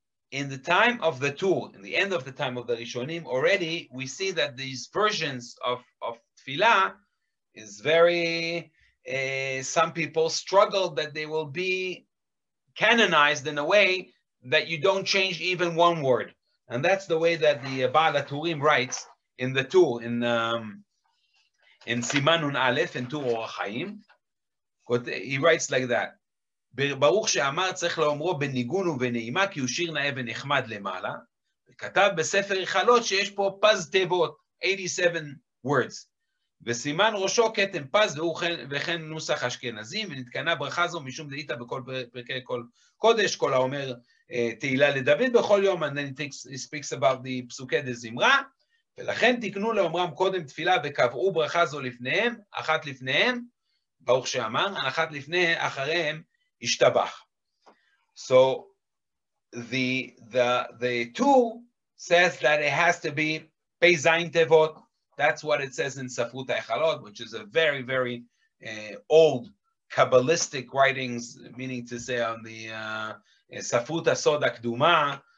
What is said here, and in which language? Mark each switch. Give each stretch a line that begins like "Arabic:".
English: In the time of the Tur, in the end of the time of the Rishonim, already we see that these versions of Tfilah is very, some people struggle that they will be canonized in a way that you don't change even one word. And that's the way that the Baal HaTurim writes in the Tur, in Siman Nun Aleph, in Tur Or HaChaim. He writes like that.
Hebrew: ברוך שאמר צריך לאומרו בניגון ובנעימה כי הוא שיר נאה ונחמד למעלה, וכתב בספר חלות שיש פה פז תיבות,
English: 87 words,
Hebrew: וסימן ראשו כתם פז וכן נוסח אשכנזים, ונתקנה ברכה זו משום דעיתה בכל פרקי כל קודש, כל האומר תהילה לדוד בכל יום,
English: and then he speaks about the
Hebrew: פסוקי דזמרה, ולכן תקנו לאומרם קודם תפילה וקבעו ברכה זו לפניהם, אחת לפניהם, ברוך שאמר, אחת לפני אחריהם, Ishtabach.
English: So the Tur says that it has to be Pezayin Tevot. That's what it says in Safut HaEchalot, which is a very, very old Kabbalistic writings, meaning to say on the Safut HaSod HaKduma.